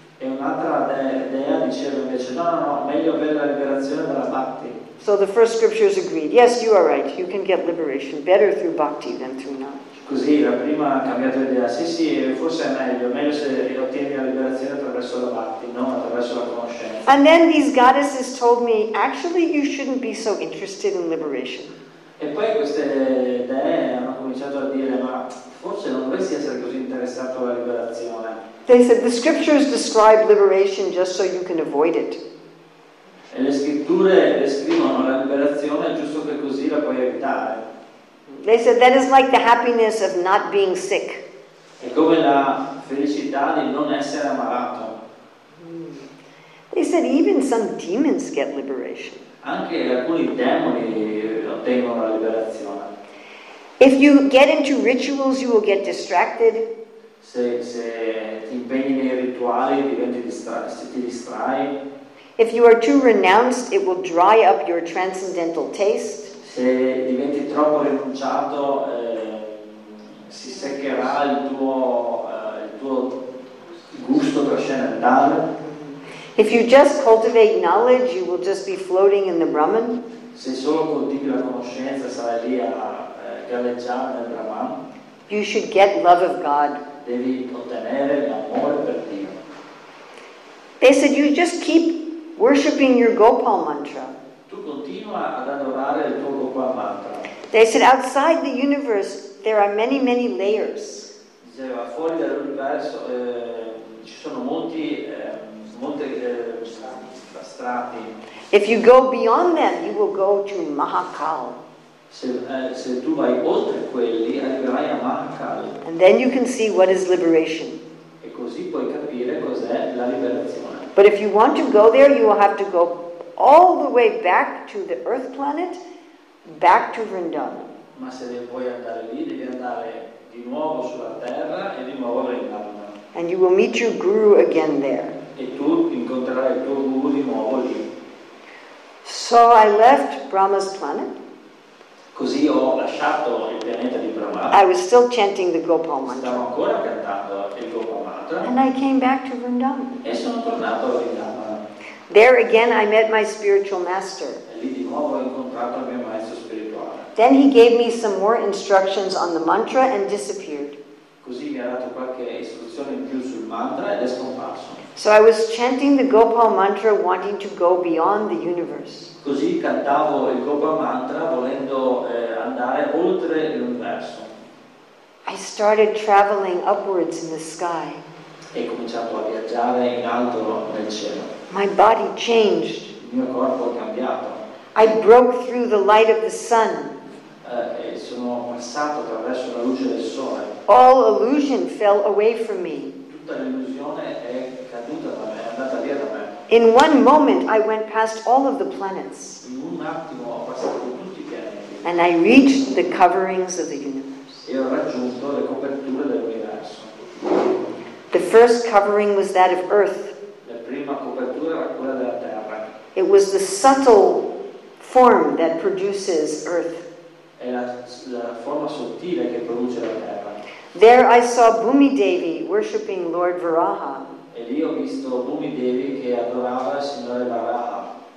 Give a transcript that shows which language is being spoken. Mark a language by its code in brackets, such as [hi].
[it] E un'altra dea diceva invece, no, no, no, meglio avere la liberazione dalla bhakti. [en] So the first scriptures agreed, yes, you are right, you can get liberation better through bhakti than through knowledge. [it] Così la prima ha cambiato idea, sì, sì, forse è meglio se ottieni la liberazione attraverso la bhakti, non attraverso la conoscenza. [en] And then these goddesses told me, actually, you shouldn't be so interested in liberation. [it] E poi queste dee hanno cominciato a dire, ma forse non dovresti essere così interessato alla liberazione. [en] They said, the scriptures describe liberation just so you can avoid it. [it] E le scritture descrivono la liberazione giusto che così la puoi evitare. [en] They said, that is like the happiness of not being sick. [it] È come la felicità di non essere ammalato. [en] They said even some demons get liberation. [it] Anche alcuni demoni ottengono la liberazione. [en] If you get into rituals, you will get distracted. [it] Se ti impegni nei rituali, ti distrai. [en] If you are too renounced, it will dry up your transcendental taste. [it] Se diventi troppo rinunciato, si seccherà il tuo gusto trascendentale. [en] If you just cultivate knowledge, you will just be floating in the Brahman. [it] Se solo coltivi la conoscenza, sarai lì a galleggiare nel Brahman. [en] You should get love of God. [it] Devi ottenere l'amore per Dio. [en] They said you just keep worshiping your Gopal mantra. [it] Tu continua ad adorare il tuo Gopal mantra. [en] They said outside the universe there are many, many layers. [it] Diceva fuori dall'universo ci sono molte strati. [en] If you go beyond them, you will go to Mahakal. [it] Se tu vai oltre quelli, arriverai a Mahakal. [en] And then you can see what is liberation. [it] E così puoi capire cos'è la liberazione. [en] But if you want to go there, you will have to go all the way back to the Earth planet, back to Vrindavan. [it] Ma se vuoi andare lì, devi andare di nuovo sulla Terra e di nuovo a Vrindavan. [en] And you will meet your guru again there. [it] E tu incontrerai il tuo guru di nuovo lì. [en] So I left Brahma's planet. [it] Così ho lasciato il pianeta di Brahma. [en] I was still chanting the Gopal mantra. [it] Stavo ancora cantando il Gopal mantra. [en] And I came back to Vrindavan. [it] E sono tornato a Vrindavan. [en] There again I met my spiritual master. [it] E lì di nuovo ho incontrato il mio maestro spirituale. [en] Then he gave me some more instructions on the mantra and disappeared. [it] Così mi ha dato qualche istruzione in più sul mantra ed è scomparso. [en] So I was chanting the Gopal mantra, wanting to go beyond the universe. [it] Così cantavo il Gopal mantra, volendo andare oltre l'universo. [en] I started traveling upwards in the sky. [it] E cominciato a viaggiare in alto nel cielo. [en] My body changed. [it] Il mio corpo è cambiato. [en] I broke through the light of the sun. [it] E sono passato attraverso la luce del sole. [en] All illusion fell away from me. [it] Tutta l'illusione è caduta da me, è andata via da me. [en] In one moment I went past all of the planets. [it] In un attimo ho passato tutti i pianeti. [en] And I reached the coverings of the universe. [it] E ho raggiunto le coperture dell'universo. [en] The first covering was that of Earth. [it] La prima copertura era quella della Terra. [en] It was the subtle form that produces Earth. [it] È la forma sottile che produce la Terra. [en] There I saw Bhumi Devi worshipping Lord Varaha. [it] E lì ho visto Bhumi Devi che adorava il Signore Varaha.